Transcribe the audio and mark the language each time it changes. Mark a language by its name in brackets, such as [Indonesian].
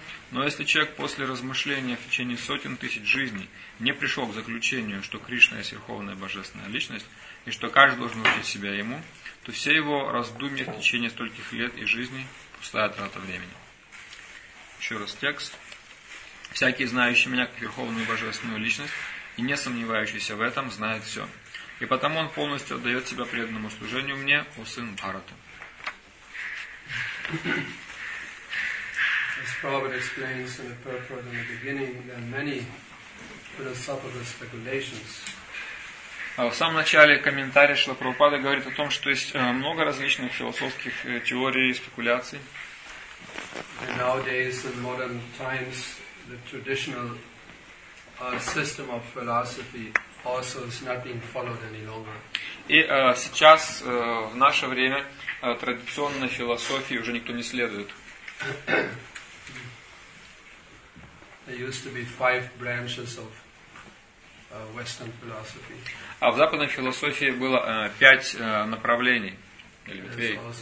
[Russian] Но если человек после размышления в течение сотен тысяч жизней не пришел к заключению, что Кришна есть Верховная Божественная Личность, и что каждый должен учить себя ему, то все его раздумья в течение стольких лет и жизни – пустая трата времени. Еще раз текст. «Всякий, знающий меня как Верховную Божественную Личность и не сомневающийся в этом, знает все. И потому он полностью отдает себя преданному служению мне, о сын Бхараты». [English] As Prabhupada explains in the purport in the beginning, there are many philosophical speculations. [Russian] В самом начале комментария Шрила Прабхупада говорит о том, что есть много различных философских теорий и спекуляций. [English] And nowadays in modern times the traditional system of philosophy also is not being followed any longer. [Russian] И сейчас, в наше время, традиционной философии уже никто не следует. [English] There used to be five branches of Western philosophy. [Russian] А в западной философии было пять направлений или ветвей.